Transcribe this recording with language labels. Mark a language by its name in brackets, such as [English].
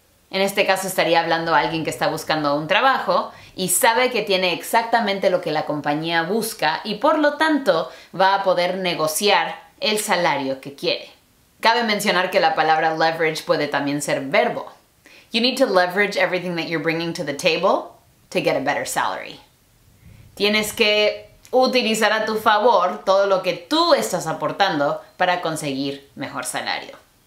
[Spanish] En este caso estaría hablando a alguien que está buscando un trabajo y sabe que tiene exactamente lo que la compañía busca y por lo tanto va a poder negociar el salario que quiere. Cabe mencionar que la palabra leverage puede también ser verbo. [English] You need to leverage everything that you're bringing to the table to get a better salary. [Spanish] Tienes que utilizar a tu favor todo lo que tú estás aportando para conseguir mejor salario.